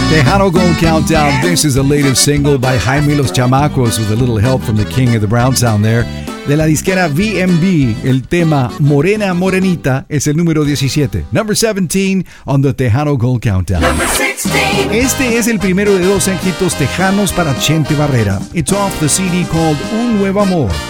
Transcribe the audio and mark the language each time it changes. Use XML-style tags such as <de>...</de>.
<en>Countdown. This is the latest single by Jaime Los Chamacos with a little help from the King of the Brown Sound there.</en> <es>De la disquera VMB, el tema Morena Morenita es el número 17.</es> <en>Number 17 on the Tejano Gold Countdown. Number 16.</en> <es>Este es el primero de dos éxitos tejanos para Chente Barrera.</es> <en>It's off the CD called Un Nuevo Amor.</en>